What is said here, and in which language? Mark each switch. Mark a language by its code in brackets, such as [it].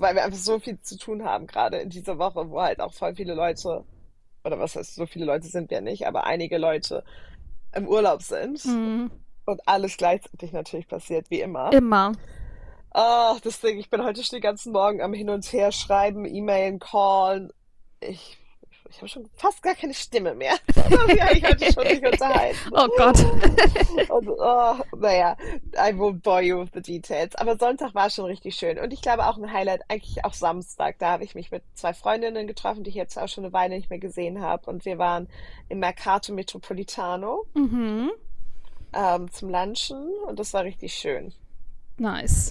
[de] weil wir einfach so viel zu tun haben, gerade in dieser Woche, wo halt auch voll viele Leute, oder was heißt, so viele Leute sind wir nicht, aber einige Leute im Urlaub sind und alles gleichzeitig natürlich passiert, wie immer. Immer. Oh, deswegen, ich bin heute schon den ganzen Morgen am Hin und Her schreiben, E-Mailen, Callen. Ich habe schon fast gar keine Stimme mehr. Wie habe ich heute schon dich unterhalten? Oh Gott. Und oh, naja, [en] I won't bore you with the details. [de] Aber Sonntag war schon richtig schön. Und ich glaube auch ein Highlight, eigentlich auch Samstag. Da habe ich mich mit zwei Freundinnen getroffen, die ich jetzt auch schon eine Weile nicht mehr gesehen habe. Und wir waren im Mercato Metropolitano zum Lunchen. Und das war richtig schön. Nice.